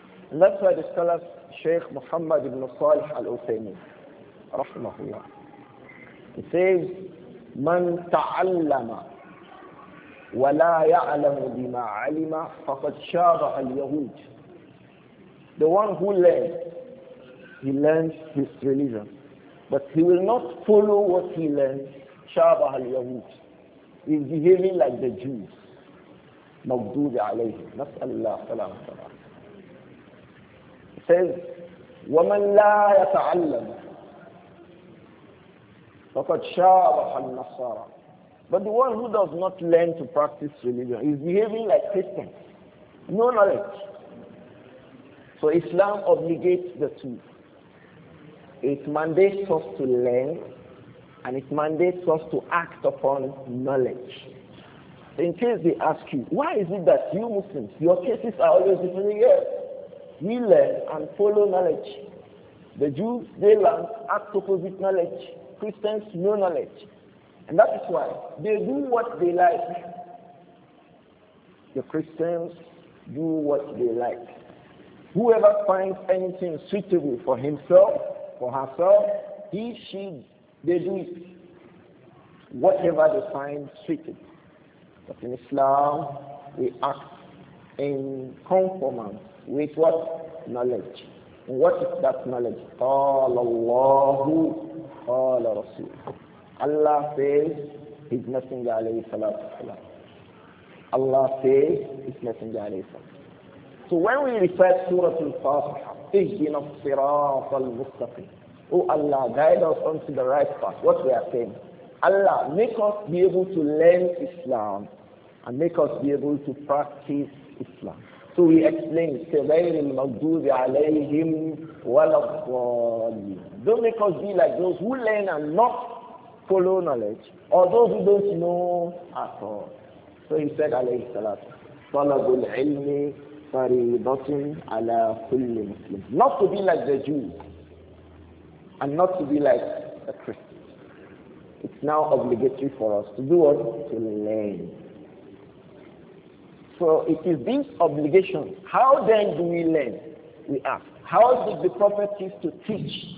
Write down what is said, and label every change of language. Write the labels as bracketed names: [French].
[English] And that's why the scholar Sheikh Muhammad ibn Salih al-Uthaymeen, rahmahullah, he says, [Arabic] من تعلم ولا يعلم بما علم فقد شابه اليهود. [English] The one who learns, he learns his religion. But he will not follow what he learns, [Arabic] شابه اليهود. [English] He's behaving like the Jews. [Arabic] مغضوب عليه. نسأل الله سلامة الله. [English] He says, [Arabic] ومن لا يتعلم فَقَدْ شَابَحَ النَّصَارَى. [English] But the one who does not learn to practice religion is behaving like Christians. No knowledge. So Islam obligates the two. It mandates us to learn, and it mandates us to act upon knowledge. In case they ask you, why is it that you Muslims, your cases are always different? Yes. We learn and follow knowledge. The Jews, they learn, act opposite knowledge. Christians, no knowledge. And that is why they do what they like. The Christians do what they like. Whoever finds anything suitable for himself, for herself, he, she, they do it. Whatever they find suitable. But in Islam, we act in conformance with what? Knowledge. And what is that knowledge? [Arabic] Allahu. قال رسول الله [English] says his messenger [Arabic] عليه الصلاة والسلام. [English] Allah says his messenger [Arabic] عليه الصلاة. [English] So when we recite Surah Al-Fatiha, [Arabic] اهدنا الصراط المستقيم. [English] Oh Allah, guide us onto the right path. What we are saying? Allah, make us be able to learn Islam and make us be able to practice Islam. So we explain, [Arabic] غير المغضوب عليهم ولا الضالين. [English] Don't make us be like those who learn and not follow knowledge, or those who don't know at all. So he said, [Arabic] alayhi salatu, طَلَبُ الْعِلْمِ فَرِيضَةٍ عَلَىٰ كُلِّ مُسْلِمٍ. [English] Not to be like the Jews, and not to be like the Christians. It's now obligatory for us to do what? To learn. So it is this obligation. How then do we learn? We ask. How did the prophet used to teach